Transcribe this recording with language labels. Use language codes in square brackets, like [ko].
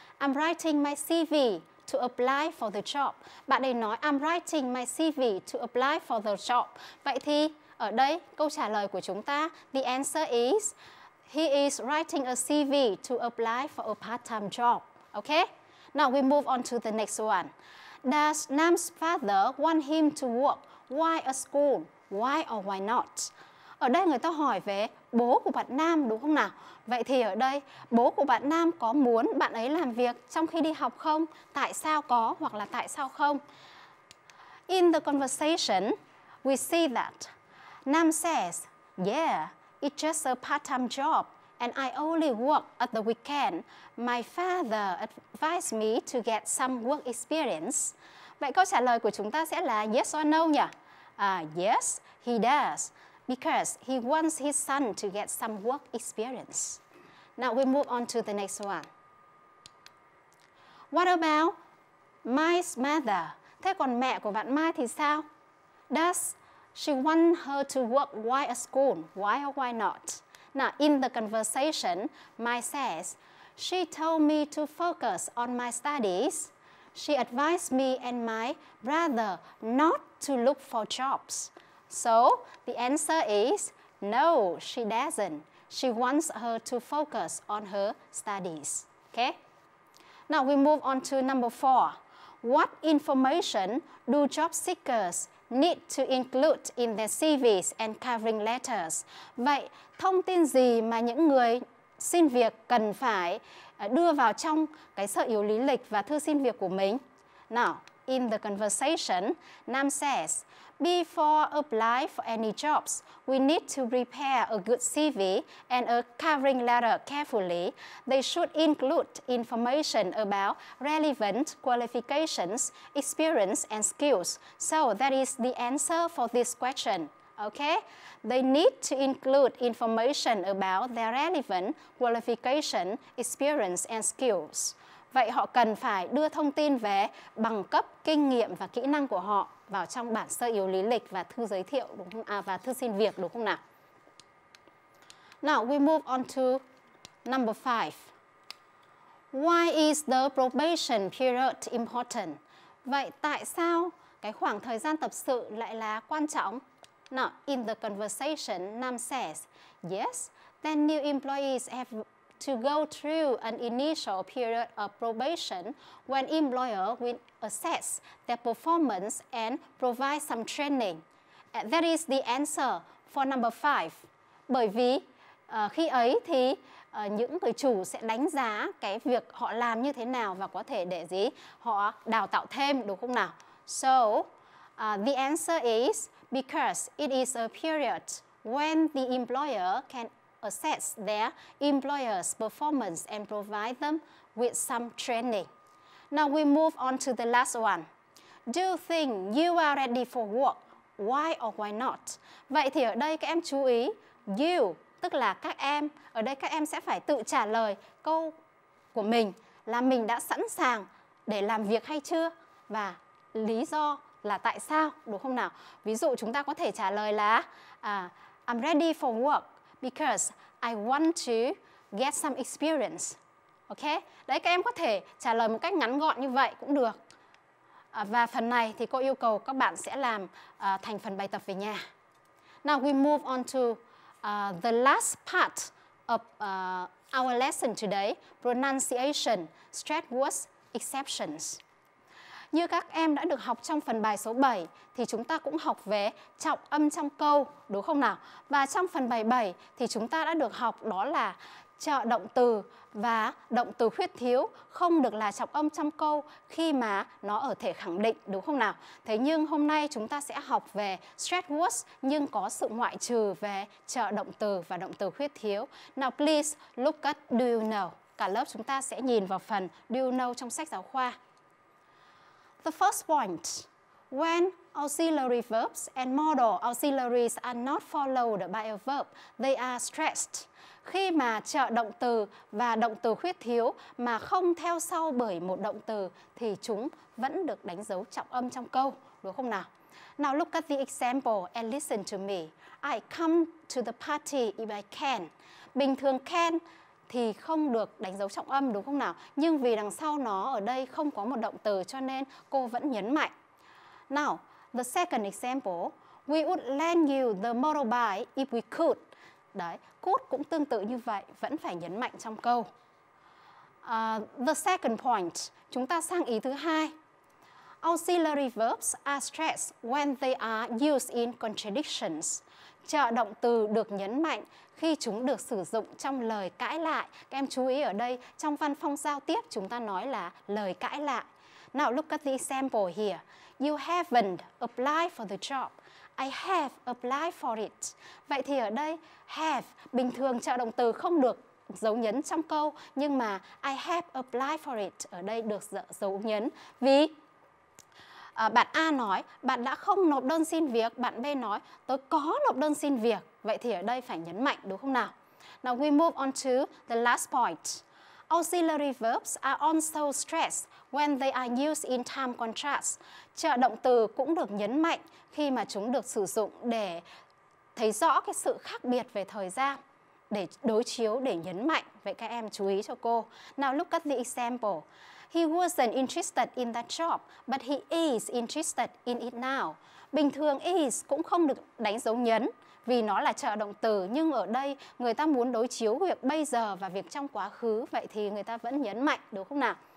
[en] I'm writing my CV to apply for the job. [vi] Bạn ấy nói [en] I'm writing my CV to apply for the job. [vi] Vậy thì ở đây câu trả lời của chúng ta, [en] the answer is he is writing a CV to apply for a part-time job. Okay? Now we move on to the next one. Does Nam's father want him to work? Why a school? Why or why not? [vi] Ở đây người ta hỏi về bố của bạn Nam đúng không nào? Vậy thì ở đây bố của bạn Nam có muốn bạn ấy làm việc trong khi đi học không? Tại sao có hoặc là tại sao không? [en] In the conversation, we see that Nam says, yeah, it's just a part-time job and I only work at the weekend. My father advised me to get some work experience. [vi] Vậy câu trả lời của chúng ta sẽ là [en] yes or no [vi] nhỉ? [en] Yes, he does. Because he wants his son to get some work experience. Now we move on to the next one. What about Mai's mother? [vi] Thế còn mẹ của bạn Mai thì sao? [en] Does she want her to work while at school? Why or why not? Now in the conversation, Mai says, she told me to focus on my studies. She advised me and my brother not to look for jobs. So, the answer is no, she doesn't. She wants her to focus on her studies. Okay? Now we move on to number four. What information do job seekers need to include in their CVs and covering letters? [vi] Vậy, thông tin gì mà những người xin việc cần phải đưa vào trong cái sơ yếu lý lịch và thư xin việc của mình? [en] Now, in the conversation, Nam says, before apply for any jobs, we need to prepare a good CV and a covering letter carefully. They should include information about relevant qualifications, experience, and skills. So that is the answer for this question. Okay? They need to include information about their relevant qualification, experience, and skills. [vi] Vậy họ cần phải đưa thông tin về bằng cấp, kinh nghiệm và kỹ năng của họ vào trong bản sơ yếu lý lịch và thư giới thiệu đúng không? Và thư xin việc đúng không nào? [en] Now we move on to number 5. Why is the probation period important? [vi] Vậy tại sao cái khoảng thời gian tập sự lại là quan trọng? [en] Now in the conversation, Nam says, yes, then new employees have to go through an initial period of probation when employer will assess their performance and provide some training. That is the answer for number 5. [vi] Bởi vì khi ấy thì những người chủ sẽ đánh giá cái việc họ làm như thế nào và có thể để gì họ đào tạo thêm đúng không nào? [en] So, the answer is because it is a period when the employer can assess their employer's performance and provide them with some training. Now we move on to the last one. Do you think you are ready for work? Why or why not? [vi] Vậy thì ở đây các em chú ý, you, tức là các em, ở đây các em sẽ phải tự trả lời câu của mình là mình đã sẵn sàng để làm việc hay chưa? Và lý do là tại sao, đúng không nào? Ví dụ chúng ta có thể trả lời là [en] I'm ready for work. Because I want to get some experience. Okay? [vi] Đấy, các em có thể trả lời một cách ngắn gọn như vậy cũng được. Và phần này thì cô yêu cầu các bạn sẽ làm thành phần bài tập về nhà. [en] Now we move on to the last part of our lesson today, pronunciation, stress words, exceptions. [vi] Như các em đã được học trong phần bài số 7 thì chúng ta cũng học về trọng âm trong câu, đúng không nào? Và trong phần bài 7 thì chúng ta đã được học đó là trợ động từ và động từ khuyết thiếu không được là trọng âm trong câu khi mà nó ở thể khẳng định, đúng không nào? Thế nhưng hôm nay chúng ta sẽ học về [en] stress words [vi] nhưng có sự ngoại trừ về trợ động từ và động từ khuyết thiếu. [en] Now please look at do you know. [vi] Cả lớp chúng ta sẽ nhìn vào phần do you know trong sách giáo khoa. [en] The first point, When auxiliary verbs and modal auxiliaries are not followed by a verb, they are stressed. [vi] Khi mà trợ động từ và động từ khuyết thiếu mà không theo sau bởi một động từ thì chúng vẫn được đánh dấu trọng âm trong câu, đúng không nào? [en] Now look at the example and listen to me. I come to the party if I can. [vi] Bình thường can thì không được đánh dấu trọng âm, đúng không nào? Nhưng vì đằng sau nó ở đây không có một động từ cho nên cô vẫn nhấn mạnh. [en] Now, the second example, we would lend you the motorbike if we could. [vi] Đấy, could cũng tương tự như vậy, vẫn phải nhấn mạnh trong câu. [en] The second point, [vi] chúng ta sang ý thứ hai. [en] Auxiliary verbs are stressed when they are used in contradictions. [vi] Trợ động từ được nhấn mạnh khi chúng được sử dụng trong lời cãi lại. Các em chú ý ở đây, trong văn phong giao tiếp chúng ta nói là lời cãi lại. [en] Now look at the example here. You haven't applied for the job. I have applied for it. [vi] Vậy thì ở đây, have, bình thường trợ động từ không được dấu nhấn trong câu, nhưng mà [en] I have applied for it [vi] ở đây được dấu nhấn. Vì bạn A nói, bạn đã không nộp đơn xin việc. Bạn B nói, tôi có nộp đơn xin việc. Vậy thì ở đây phải nhấn mạnh, đúng không nào? [en] Now we move on to the last point. Auxiliary verbs are also stressed when they are used in time contrast. [vi] Trợ động từ cũng được nhấn mạnh khi mà chúng được sử dụng để thấy rõ cái sự khác biệt về thời gian, để đối chiếu, để nhấn mạnh. Vậy các em chú ý cho cô. [en] Now look at the example. He wasn't interested in that job, but he is interested in it now. [vi] Bình thường is cũng không được đánh dấu nhấn vì nó là trợ động từ, nhưng ở đây người ta muốn đối chiếu việc bây giờ và việc trong quá khứ, vậy thì người ta vẫn nhấn mạnh, đúng không nào?